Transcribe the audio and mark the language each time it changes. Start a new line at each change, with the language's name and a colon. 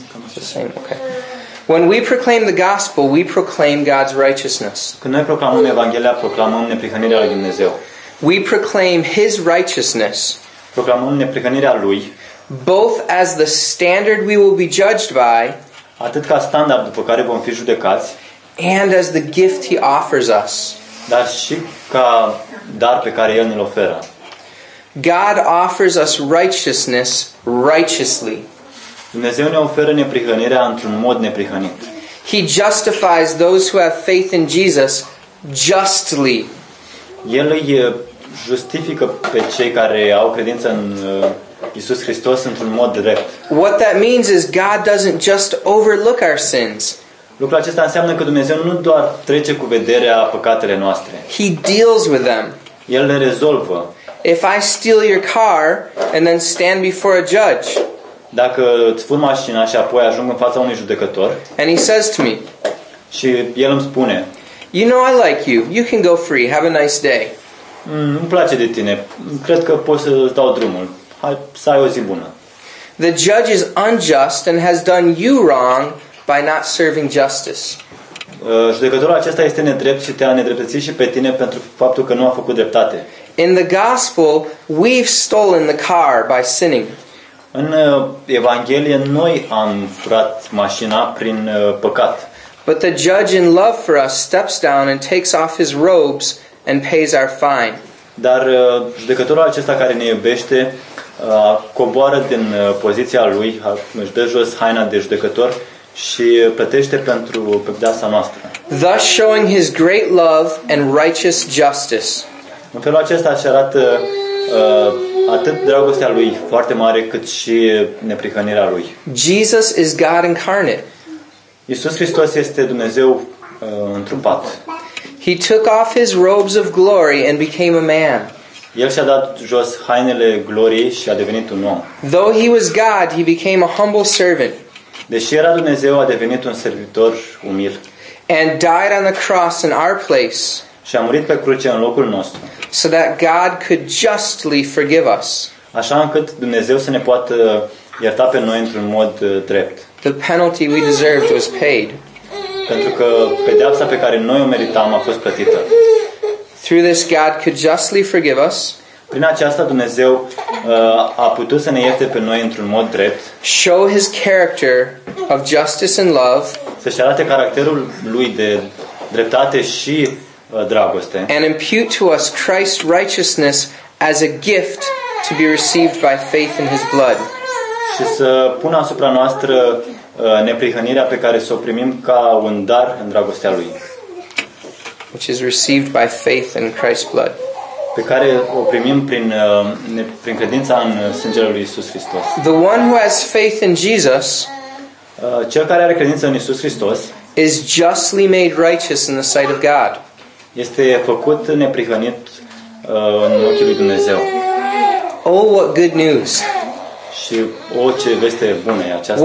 English: It's the same, okay. When we proclaim the gospel, we proclaim God's righteousness.
Romanian: Când noi proclamăm Evanghelia, proclamăm neprihănirea lui Dumnezeu.
English: We proclaim his righteousness.
Romanian: Proclamăm neprihănirea lui.
English: Both as the standard we will be judged by,
Romanian: atât ca standard după care vom fi judecați,
English: and as the gift he offers us.
Romanian: Dar și ca dar pe care el ne-l oferă.
English: God offers us righteousness righteously.
Romanian: Dumnezeu ne oferă neprihănirea într-un mod neprihănit.
English: He justifies those who have faith in Jesus justly.
Romanian: El îi justifică pe cei care au credință în Iisus Hristos într-un mod drept.
English: What that means is God doesn't just overlook our sins.
Romanian: Lucrul acesta înseamnă că Dumnezeu nu doar trece cu vederea păcatele noastre.
English: He deals with them.
Romanian: El le rezolvă.
English: If I steal your car and then stand before a judge,
Romanian: dacă îți fur mașina și apoi ajung în fața unui judecător,
English: and he says to me,
Romanian: și el îmi spune,
English: you know I like you, you can go free, have a nice day.
Romanian: Îmi place de tine, cred că poți să-ți dau drumul, Hai să ai o zi bună.
English: The judge is unjust and has done you wrong by not serving justice.
Romanian: Judecătorul acesta este nedrept și te-a nedreptățit și pe tine pentru faptul că nu a făcut dreptate.
English: In the gospel, we've stolen the car by sinning.
Romanian: În Evanghelie, noi am furat mașina prin păcat.
English: But the judge in love for us steps down and takes off his robes and pays our fine.
Romanian: Dar judecătorul acesta care ne iubește coboară din poziția lui, își dă jos haina de judecător și plătește pentru pedeapsa noastră.
English: Thus showing his great love and righteous justice.
Romanian: În felul acesta își arată atât dragostea lui foarte mare, cât și neprihănirea lui.
English: Jesus is God incarnate.
Romanian: Iisus Hristos este Dumnezeu întrupat.
English: He took off his robes of glory and became a man.
Romanian: El și-a dat jos hainele gloriei și a devenit un om.
English: Though he was God, he became a humble servant.
Romanian: Deși era Dumnezeu, a devenit un servitor umil.
English: And died on the cross in our place.
Romanian: Și a murit pe cruce în locul nostru.
English: So that God could justly forgive us.
Romanian: Așa încât Dumnezeu să ne poată ierta pe noi într-un mod drept.
English: The penalty we deserved was paid.
Romanian: Pentru că pedeapsa pe care noi o meritam a fost plătită.
English: Through this God could justly forgive us.
Romanian: Prin aceasta Dumnezeu a putut să ne ierte pe noi într-un mod drept.
English: Show his character of justice and love.
Romanian: Să-și arate caracterul lui de dreptate și dragoste.
English: And impute to us Christ's righteousness as a gift to be received by faith in his blood.
Romanian: Și să pună asupra noastră neprihănirea pe care să o primim ca un dar în dragostea lui.
English: Which is received by faith in Christ's blood.
Romanian: Pe care o primim prin credința în sângele lui Iisus Hristos.
English: The one who has faith in Jesus,
Romanian: cel care are credință în Iisus Hristos,
English: is justly made righteous in the sight of God.
Romanian: Este făcut neprihănit în ochii lui Dumnezeu.
English: Oh, what good news!
Romanian: Și o, ce veste bună e aceasta.